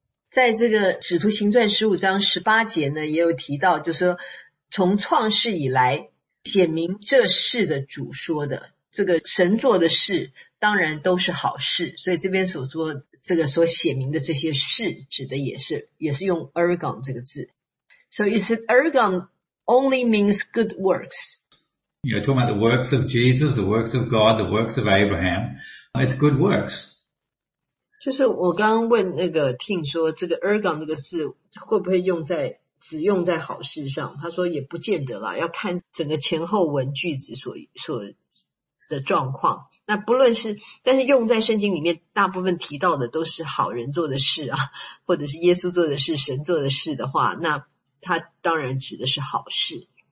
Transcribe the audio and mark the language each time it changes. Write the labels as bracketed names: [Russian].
[Chinese] 在这个使徒行传十五章十八节呢也有提到就是说从创世以来显明这事的主说的这个神做的事当然都是好事所以这边所说这个所显明的这些事指的也是用 ergon 这个字 [English] So is it ergon only means good works? You're talking about the works of Jesus, the works of God, the works of Abraham. It's good works. [Chinese] 就是我刚刚问那个 Tim 说这个 ergon 这个字会不会用在只用在好事上，他说也不见得啦，要看整个前后文句子所的状况。那不论是，但是用在圣经里面大部分提到的都是好人做的事啊，或者是耶稣做的事，神做的事的话，那他当然指的是好事。